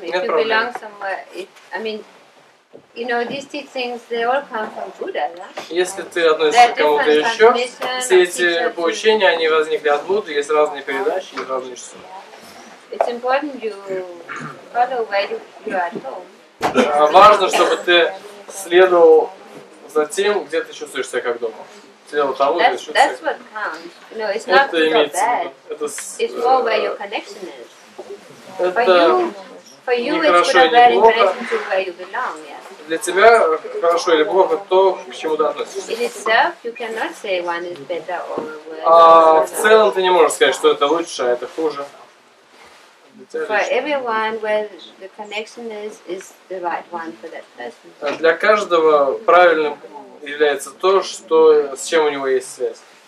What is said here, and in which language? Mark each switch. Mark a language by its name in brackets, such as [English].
[English] If you belong somewhere, I mean, you know, these teachings, they all come from Buddha, да? [Russian] Если ты относишься к кому-то еще, все эти поучения, они возникли от Будды, есть разные передачи, есть разные часы. [English] It's important you follow where you are at home. [Russian] Важно, чтобы ты следовал за тем, где ты чувствуешь себя как дома. тело того, за счет [English] that's what counts. No, it's not good or bad. It's more where your connection is. For you it's good or bad in relation to where you belong, yeah. [Russian] Для тебя хорошо или плохо то, к чему ты относишься. [English] In itself, you cannot say one is better or worse. [Russian] А в целом ты не можешь сказать, что это лучше, а это хуже. [English] For everyone, where the connection is the right one for that person. [Russian] Для каждого правильным является то, что с чем у него есть связь.